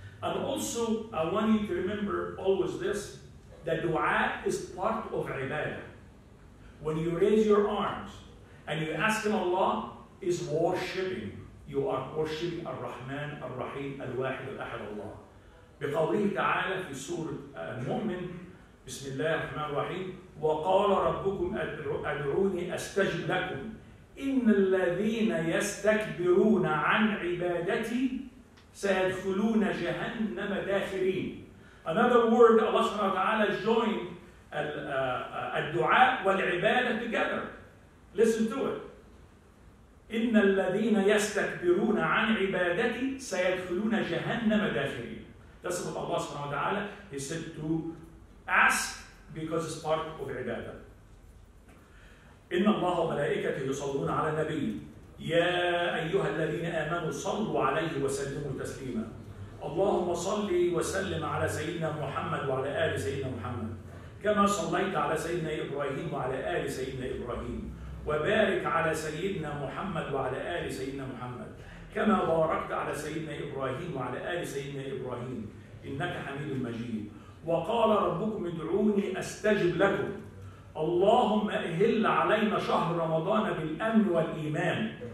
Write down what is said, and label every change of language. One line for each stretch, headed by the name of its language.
English: And also, I want you to remember always this, that dua is part of ibadah. When you raise your arms and you ask in Allah, is worshipping. You are worshipping ar-rahman, ar-raheem, al-wahid, al-ahad, Allah.
Arabic: بقوله تعالى في سورة المؤمن بسم الله الرحمن الرحيم وقال ربكم أدعوني أستجب لكم إن الذين يستكبرون عن عبادتي سيدخلون جهنم داخرين.
English: Another word, Allah سبحانه وتعالى joined
Arabic: الدعاء والعبادة
English: together. Listen to it.
Arabic: إن الذين يستكبرون عن عبادتي سيدخلون جهنم داخرين.
English: That's what Allah subhanahu wa ta'ala, He said to ask, because it's part of ibadah.
Arabic: إِنَّ اللَّهَ وَمَلَائِكَةِ يُصَلُّونَ عَلَى النَّبِيِّ يَا أَيُّهَا الَّذِينَ آمَنُوا صَلُّوا عَلَيْهِ وَسَلِّمُوا تَسْلِيمًا اللهم صلِّ وسلِّم على سيدنا محمد وعلى آل سيدنا محمد كما صليت على سيدنا إبراهيم وعلى آل سيدنا إبراهيم وبارك على سيدنا محمد وعلى آل سيدنا محمد كما باركت على سيدنا إبراهيم وعلى آل سيدنا إبراهيم إنك حميد مجيد وقال ربكم ادعوني أستجب لكم اللهم أهل علينا شهر رمضان بالأمن والإيمان